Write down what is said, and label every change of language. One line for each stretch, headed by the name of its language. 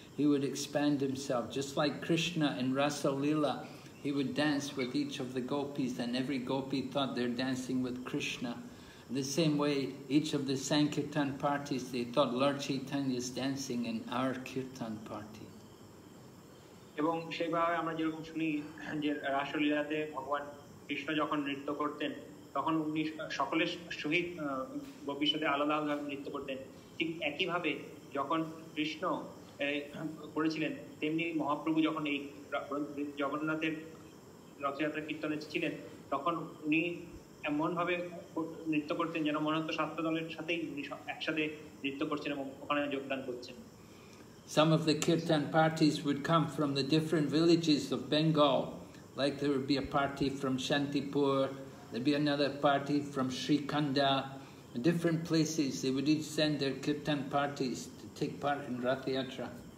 English: He would expand himself, just like Krishna in Rasa Lila. He would dance with each of the gopis, and every gopi thought they're dancing with Krishna. In the same way, each of the Sankirtan parties, they thought Lord Chaitanya is dancing in our kirtan party.
Bangla: এবং সেইভাবে আমরা যেরকম শুনি যে রাসলীলাতে ভগবান কৃষ্ণ যখন নৃত্য করতেন তখন উনি সকলের সহিত গোপীর সাথে আলাদা আলাদা নৃত্য করতেন ঠিক একইভাবে যখন কৃষ্ণ করেছিলেন তেমনি মহাপ্রভু যখন এই জগন্নাথের রথযাত্রা কীর্তনে ছিলেন তখন উনি এমনভাবে নৃত্য করতেন যেন মনন্ত শাস্ত্র দলের সাথেই উনি একসাথে নৃত্য করছেন এবং ওখানে যোগদান করছেন
English: Some of the kirtan parties would come from the different villages of Bengal. Like there would be a party from Shantipur, there'd be another party from Srikanda, different places. They would each send their kirtan parties to take part in Ratha Yatra.